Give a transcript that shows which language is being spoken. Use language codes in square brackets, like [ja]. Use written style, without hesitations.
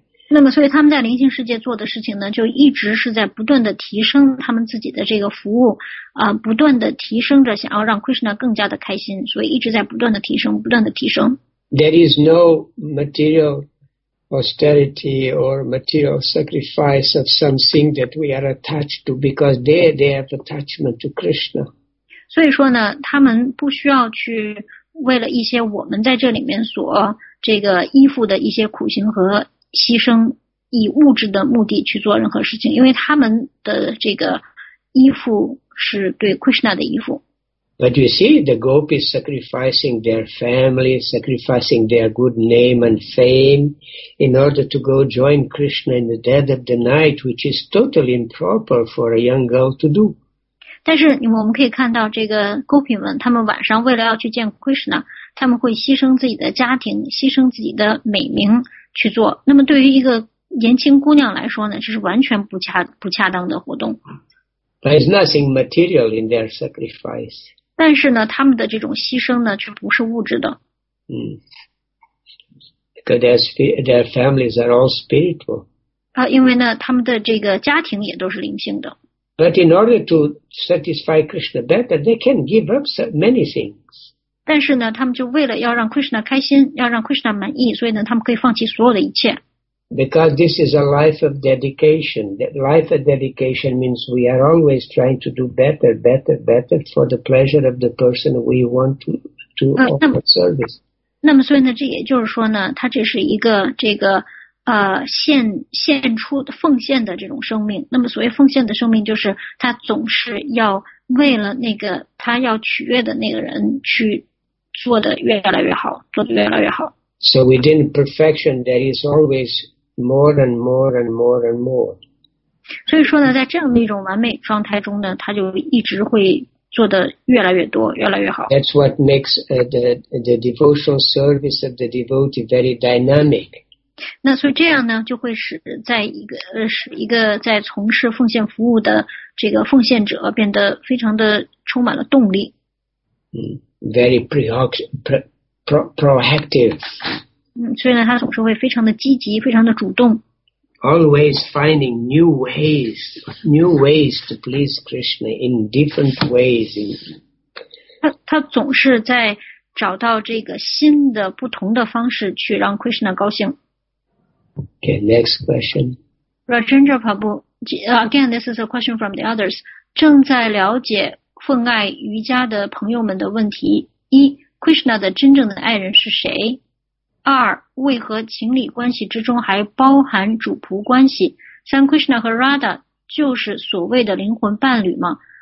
[zh] 那么所以他们在灵性世界做的事情呢，就一直是在不断的提升他们自己的这个服务啊，不断的提升着，想要让 Krishna 更加的开心，所以一直在不断的提升，不断的提升。 [en] There is no material austerity or material sacrifice of something that we are attached to because they have attachment to Krishna. [zh] 所以说呢，他们不需要去为了一些我们在这里面所这个依附的一些苦行和牺牲，以物质的目的去做任何事情，因为他们的这个依附是对 Krishna 的依附。 [en] But you see, the gopis sacrificing their family, sacrificing their good name and fame in order to go join Krishna in the dead of the night, which is totally improper for a young girl to do. [zh] 但是我们可以看到这个 gopi 们，他们晚上为了要去见 Krishna， 他们会牺牲自己的家庭，牺牲自己的美名去做。那么对于一个年轻姑娘来说呢，这是完全不恰当的活动。 [en] There is nothing material in their sacrifice. [zh] 但是呢，他们的这种牺牲呢，却不是物质的。 [en] Because their families are all spiritual. [zh] 啊，因为呢，他们的这个家庭也都是灵性的。 [en] But in order to satisfy Krishna better, they can give up many things. [zh] 但是呢，他们就为了要让 Krishna 开心，要让 Krishna 满意，所以呢，他们可以放弃所有的一切。 [en] Because this is a life of dedication. That life of dedication means we are always trying to do better, better, better for the pleasure of the person we want to offer service. [zh] 那么所以呢，这也就是说呢，它这是一个这个献出奉献的这种生命。那么所谓奉献的生命，就是他总是要为了那个他要取悦的那个人去做的越来越好，做的越来越好。 [en] So within perfection, there is always more and more and more and more. [zh] 所以说呢，在这样的一种完美状态中呢，他就一直会做得越来越多，越来越好。 [en] That's what makes the devotional service of the devotee very dynamic. [zh] 那所以这样呢，就会使一个在从事奉献服务的这个奉献者变得非常的充满了动力。 [en] Very proactive. [zh] 所以呢，他总是会非常的积极，非常的主动。 [en] Always finding new ways to please Krishna in different ways. [zh] 他总是在找到这个新的、不同的方式去让 Krishna 高兴。 [en] Okay, next question. Rajendra Prabhu, again, this is a question from the others. [zh] 正在了解奉爱瑜伽的朋友们的问题一。 Krishna 的真正的爱人是谁？二，为何情侣关系之中还包含主仆关系？三， Krishna 和 Radha 就是所谓的灵魂伴侣吗？